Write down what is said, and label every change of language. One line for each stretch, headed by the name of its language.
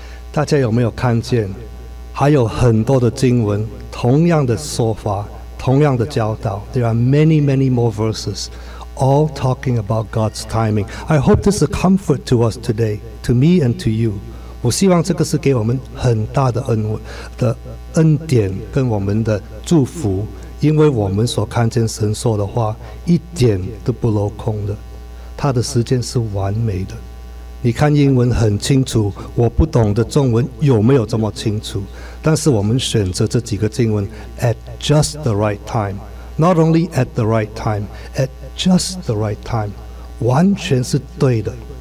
Chinese: 大家有没有看见还有很多的经文同样的说法，同样的教导。
English: There are many many more verses all talking about God's timing. I hope this is a comfort to us today, to me and to you.
Chinese: 我希望这个是给我们很大的恩典跟我们的祝福，因为我们所看见神说的话一点都不落空的，他的时间是完美的。你看英文很清楚，我不懂的中文有没有这么清楚，但是我们选择这几个经文 at just the right time, not only at the right time, at just the right time, 完全是对的。